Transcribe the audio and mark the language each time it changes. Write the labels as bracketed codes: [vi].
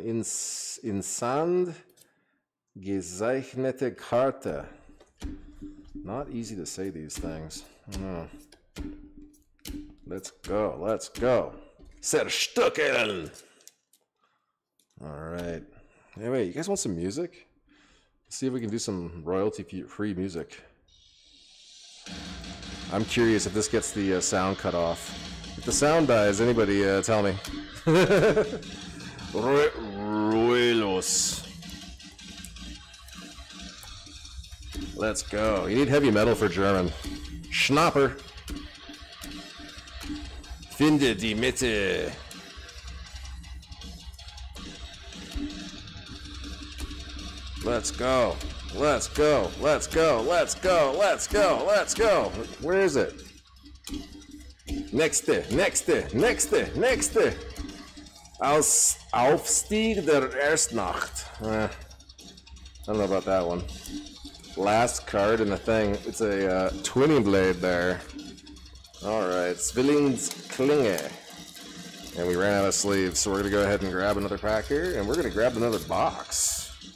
[de] In Sand gezeichnete Karte. [en] Not easy to say these things. No. Let's go. Let's go. Zerstückeln. All right. Anyway, you guys want some music? Let's see if we can do some royalty-free music. I'm curious if this gets the sound cut off. If the sound dies, anybody tell me. Ruelos. Let's go. You need heavy metal for German. [de] Schnapper. Finde die Mitte. [en] Let's go. Let's go. Let's go. Let's go. Let's go. Let's go. Where is it? [de] Nächste. Nächste. Nächste. Nächste. Aufstieg der Erstnacht. [en] I don't know about that one. Last card in the thing. It's a twinning blade there. All right, Zwillings Klinge. And we ran out of sleeves, so we're going to go ahead and grab another pack here, and we're going to grab another box.